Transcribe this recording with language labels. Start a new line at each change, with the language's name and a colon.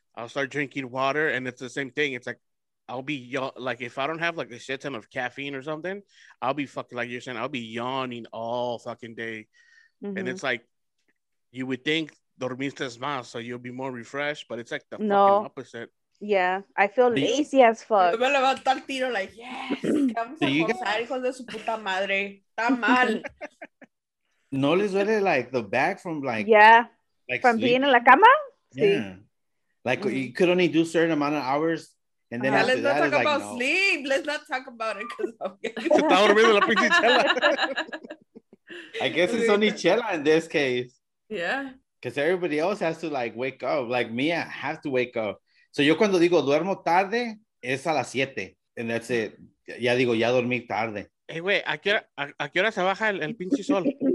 English: I'll start drinking water, and it's the same thing. It's like, I'll be, like, if I don't have, like, a shit ton of caffeine or something, I'll be fucking, like you're saying, I'll be yawning all fucking day. Mm-hmm. And it's like, you would think
Spanish: dormiste más,
English: so you'll be more refreshed, but it's like the fucking opposite. Yeah, I feel lazy as fuck.
Spanish: Me levanto al tiro,
English: like, yes,
Spanish: vamos a gozar, hijos de su puta madre. Está mal. No les duele,
English: like, the back from, like... Yeah, like from sleeping. Being in
Spanish: la cama?
English: Sí. Yeah. Like, mm-hmm. You could only do certain amount of hours, and then after that, it's like, no. Let's not talk about sleep. Let's not talk about it, because I'm getting... I guess it's only Chela in this case. Yeah. Because everybody else has to, like, wake up. Like, me, I have to wake up.
Spanish: So, yo cuando digo duermo tarde, es a las 7.
English: And that's it.
Spanish: Ya digo, ya dormí tarde. Hey, güey, ¿a qué hora se baja el pinche sol?